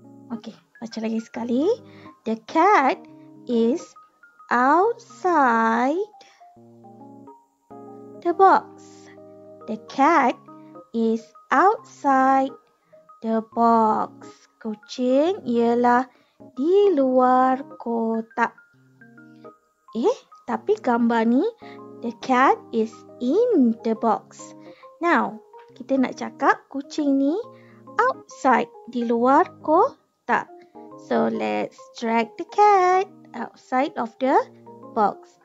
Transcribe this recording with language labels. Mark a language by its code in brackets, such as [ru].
[en] Okay, [ms] baca lagi sekali. [en] The cat is outside the box. The cat is outside the box. [ms] Kucing ialah di luar kotak. Tapi gambar ni, [en] the cat is in the box. [ms] Now, kita nak cakap kucing ni outside, di luar kotak. [en] So, let's drag the cat outside of the box.